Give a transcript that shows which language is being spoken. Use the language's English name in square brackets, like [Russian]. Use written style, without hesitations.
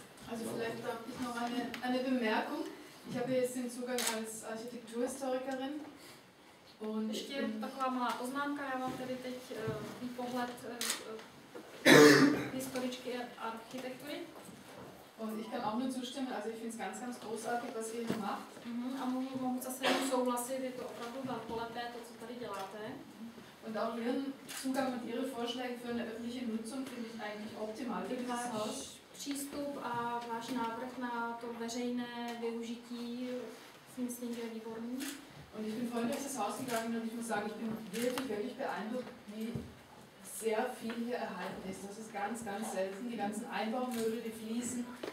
[German] Also vielleicht darf ich noch eine Bemerkung. Ich habe jetzt den Zugang als Architekturhistorikerin. [Czech] Und ještě taková malá poznámka, já mám tady teď pohled historičky architektury. [German] Und ich kann auch nur zustimmen, also ich finde es ganz, ganz großartig, was ihr hier macht. [Czech] A mohu zase jenom souhlasit, je to opravdu velkolepé, to, co tady děláte. [German] Und auch Ihren Zugang und Ihre Vorschläge für eine öffentliche Nutzung finde ich eigentlich optimal für dieses Haus. [Czech] Přístup a váš návrh na to veřejné využití si myslím, že je výborný. [German] Und ich bin vorhin durch das Haus gegangen und ich muss sagen, ich bin wirklich, wirklich beeindruckt, wie sehr viel hier erhalten ist. Das ist ganz, ganz selten. Die ganzen Einbaumöbel, die Fliesen.